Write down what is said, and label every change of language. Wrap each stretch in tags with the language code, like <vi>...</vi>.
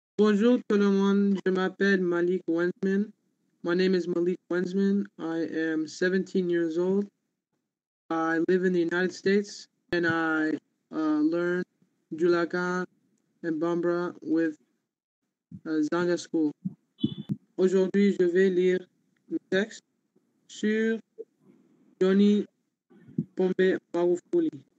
<fr>Bonjour tout le monde, je m'appelle Malik Wensman.</fr> <en>My name is Malik Wensman. I am 17 years old. I live in the United States and I learn Julaka and Bambara with Zanga School.</en> <fr>Aujourd'hui, je vais lire le texte sur John Pombe Magufuli.</fr>